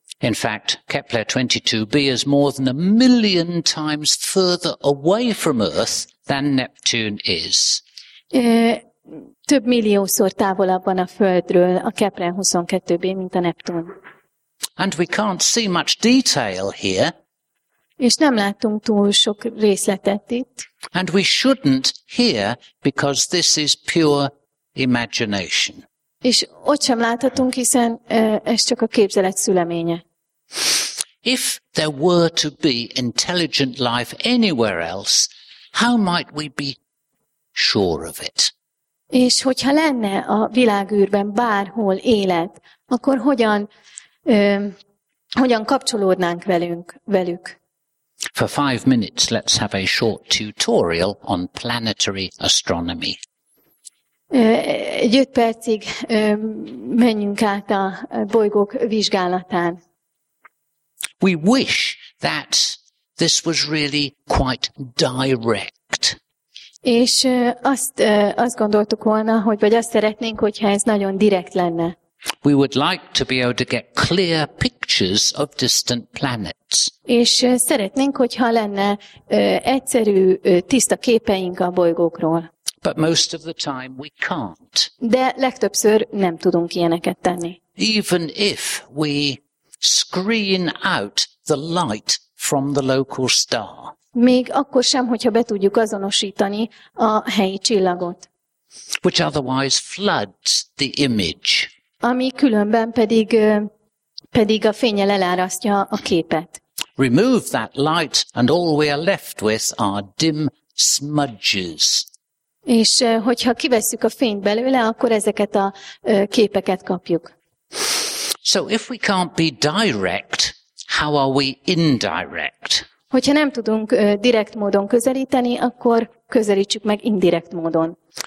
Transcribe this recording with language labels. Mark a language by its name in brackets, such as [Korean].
[English] In fact, Kepler 22b is more than a million times further away from Earth than Neptune is. [Hungarian] Több milliószor távolabb van a Földről a Kepler 22b, mint a Neptun. [English] And we can't see much detail here. [Hungarian] És nem látunk túl sok részletet itt. [English] And we shouldn't here, because this is pure imagination. [Hungarian] És ott sem láthatunk, hiszen ez csak a képzelet szüleménye. [English] If there were to be intelligent life anywhere else, how might we be sure of it? [Hungarian] És hogyha lenne a világűrben bárhol élet, akkor hogyan kapcsolódnánk velük? [English] For 5 minutes, let's have a short tutorial on planetary astronomy. [Hungarian] Egy 5 percig menjünk át a bolygók vizsgálatán. [English] We wish that this was really quite direct. [Hungarian] És azt gondoltuk volna, vagy azt szeretnénk, hogyha ez nagyon direkt lenne. [English] We would like to be able to get clear pictures of distant planets. [Hungarian] És szeretnénk, hogyha lenne egyszerű, tiszta képeink a bolygókról. [English] But most of the time we can't. [Hungarian] De legtöbbször nem tudunk ilyeneket tenni. [English] Even if we screen out the light from the local star. [Hungarian] Még akkor sem, hogyha be tudjuk azonosítani a helyi csillagot. [English] Which otherwise floods the image. [Hungarian] Ami különben pedig a fénnyel elárasztja a képet. [English] Remove that light and all we are left with are dim smudges. [Hungarian] És hogyha kivesszük a fényt belőle, akkor ezeket a képeket kapjuk. [English] So if we can't be direct, how are we indirect? [Hungarian] Hogyha nem tudunk direkt módon közelíteni, akkor közelítsük meg indirekt módon.